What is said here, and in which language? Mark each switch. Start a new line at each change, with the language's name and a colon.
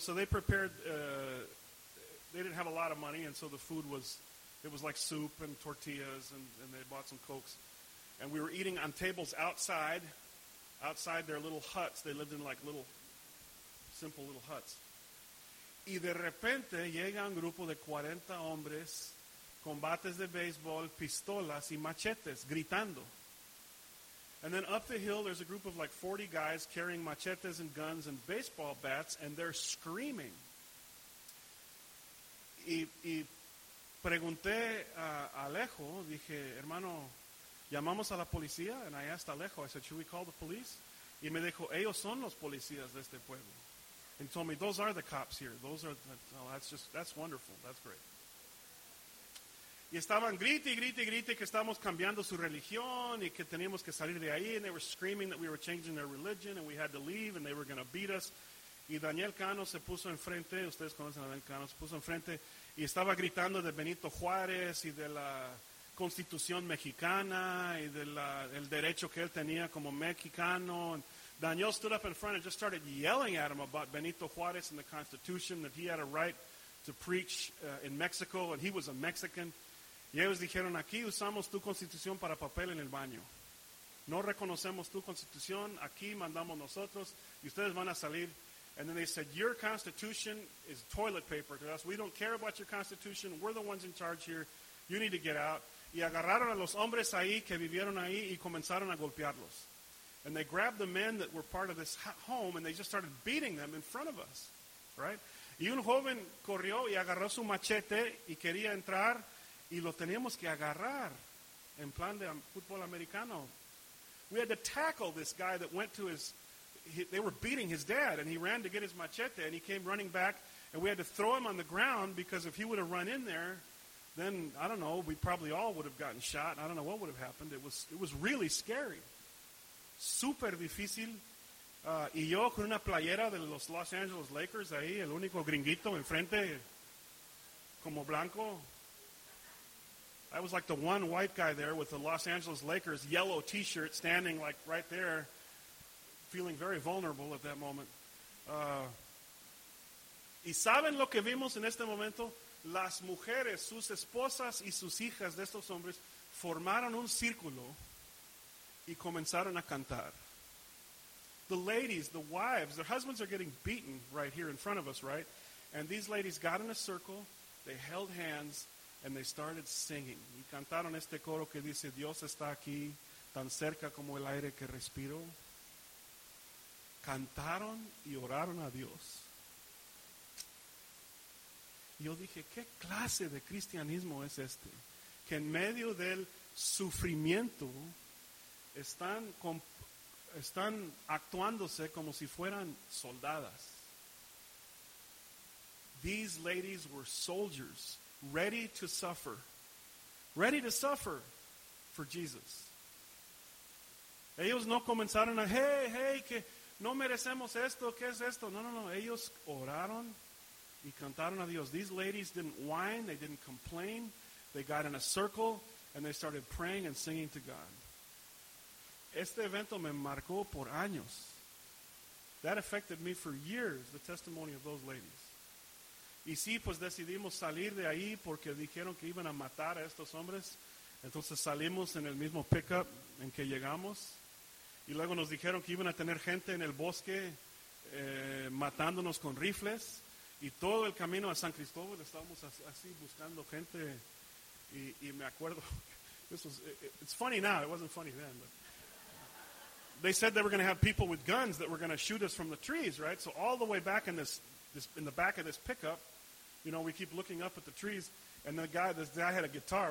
English: So they prepared, they didn't have a lot of money, and so the food was, it was like soup and tortillas, and they bought some Cokes. And we were eating on tables outside their little huts. They lived in like little, simple little huts.
Spanish: Y de repente llega un grupo de 40 hombres con bates de béisbol, pistolas y machetes, gritando.
English: And then up the hill, there's a group of like 40 guys carrying machetes and guns and baseball bats, and they're screaming.
Spanish: Y pregunté a Alejo, dije, hermano, ¿llamamos a la policía?
English: And I asked Alejo, I said, should we call the police?
Spanish: Y me dijo, ellos son los policías de este pueblo.
English: And he told me, those are the cops here. Those are, that's wonderful. That's great.
Spanish: Y estaban grite que estamos cambiando su religión y que teníamos que salir de ahí.
English: And they were screaming that we were changing their religion and we had to leave and they were going to beat us.
Spanish: Y Daniel Cano se puso enfrente, ustedes conocen a Daniel Cano, se puso enfrente y estaba gritando de Benito Juárez y de la Constitución Mexicana y de la, el derecho que él tenía como mexicano.
English: And Daniel stood up in front and just started yelling at him about Benito Juárez and the Constitution, that he had a right to preach in Mexico, and he was a Mexican.
Spanish: Y ellos dijeron, aquí usamos tu constitución para papel en el baño. No reconocemos tu constitución, aquí mandamos nosotros, y ustedes van a salir.
English: And then they said, your constitution is toilet paper to us. We don't care about your constitution. We're the ones in charge here. You need to get out.
Spanish: Y agarraron a los hombres ahí que vivieron ahí y comenzaron a golpearlos.
English: And they grabbed the men that were part of this home, and they just started beating them in front of us, right?
Spanish: Y un joven corrió y agarró su machete y quería entrar, y lo teníamos que agarrar en plan de fútbol americano.
English: We had to tackle this guy that went to his, they were beating his dad, and he ran to get his machete, and he came running back, and we had to throw him on the ground, because if he would have run in there, then, I don't know, we probably all would have gotten shot. I don't know what would have happened. It was really scary.
Spanish: Super difícil. Y yo con una playera de los Los Angeles Lakers ahí, el único gringuito enfrente, como blanco.
English: I was like the one white guy there with the Los Angeles Lakers yellow t-shirt standing like right there, feeling very vulnerable at that moment.
Spanish: ¿Y saben lo que vimos en este momento? Las mujeres, sus esposas y sus hijas de estos hombres formaron un círculo y comenzaron a cantar.
English: The ladies, the wives, their husbands are getting beaten right here in front of us, right? And these ladies got in a circle, they held hands, and they started singing.
Spanish: Y cantaron este coro que dice, Dios está aquí, tan cerca como el aire que respiro. Cantaron y oraron a Dios. Yo dije, ¿qué clase de cristianismo es este? Que en medio del sufrimiento están actuándose como si fueran soldadas.
English: These ladies were soldiers, ready to suffer for Jesus.
Spanish: Ellos no comenzaron a, hey, que no merecemos esto, ¿qué es esto? No, ellos oraron y cantaron a Dios.
English: These ladies didn't whine, they didn't complain, they got in a circle and they started praying and singing to God.
Spanish: Este evento me marcó por años.
English: That affected me for years, the testimony of those ladies.
Spanish: Y sí, pues decidimos salir de ahí porque dijeron que iban a matar a estos hombres. Entonces salimos en el mismo pickup en que llegamos. Y luego nos dijeron que iban a tener gente en el bosque matándonos con rifles. Y todo el camino a San Cristóbal estábamos así buscando gente. Y me acuerdo,
English: it's funny now, it wasn't funny then, but they said they were going to have people with guns that were going to shoot us from the trees, right? So all the way back in this in the back of this pickup, you know, we keep looking up at the trees, and this guy had a guitar.